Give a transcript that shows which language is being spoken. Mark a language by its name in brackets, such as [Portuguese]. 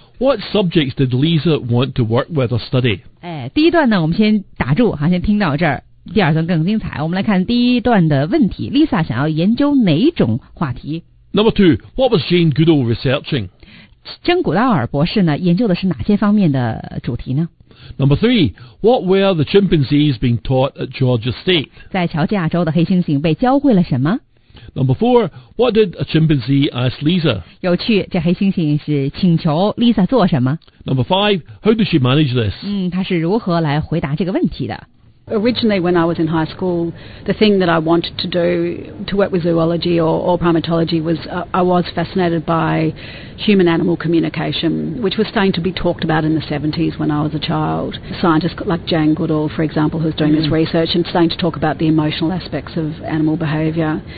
[English] What subjects did Lisa want to work with or study? [Chinese] 第一段呢我们先打住先听到这儿第二段更精彩我们来看第一段的问题 Lisa 想要研究哪种话题 [English] Number two, what was Jane Goodall researching? [Chinese] 珍古道尔博士呢研究的是哪些方面的主题呢 [English] Number three, what were the chimpanzees being taught at Georgia State? [Chinese] 在乔治亚州的黑猩猩被教会了什么 [English] Number four, what did a chimpanzee ask Lisa? [Chinese] 有趣，这黑猩猩是请求 Lisa 做什么 [English] ？Number five, how did she manage this? [Chinese] 她是如何来回答这个问题的 [English] ？Originally, when I was in high school, the thing that I wanted to do to work with zoology or primatology was I was fascinated by human-animal communication, which was starting to be talked about in the 70s when I was a child. Scientists like Jane Goodall, for example, who was doing this research and starting to talk about the emotional aspects of animal behaviour.